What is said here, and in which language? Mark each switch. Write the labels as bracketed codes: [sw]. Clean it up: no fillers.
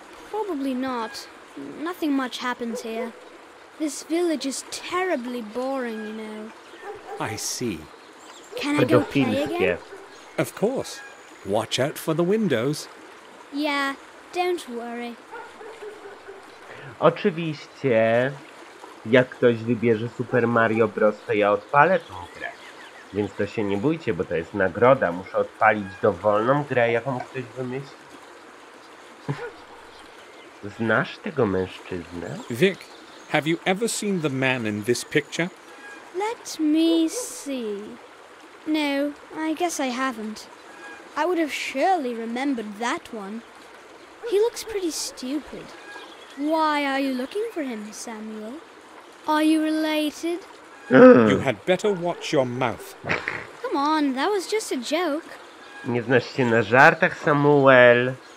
[en] Probably not. Nothing much happens here. This village is terribly boring, you know. I see. Can I go play again? Of course. Watch out for the windows. Yeah, don't worry. [pl] Oczywiście, jak ktoś wybierze Super Mario Bros, to ja odpalę tą grę. Więc to się nie bójcie, bo to jest nagroda. Muszę odpalić dowolną grę, jaką ktoś wymyśli. Znasz tego mężczyznę? [en] Vic, have you ever seen the man in this picture? Let me see. No, I guess I haven't. I would have surely remembered that one. He looks pretty stupid. Why are you looking for him, Samuel? Are you related? You had better watch your mouth. Come on, that was just a joke. [pl] Nie znasz się na żartach, Samuel.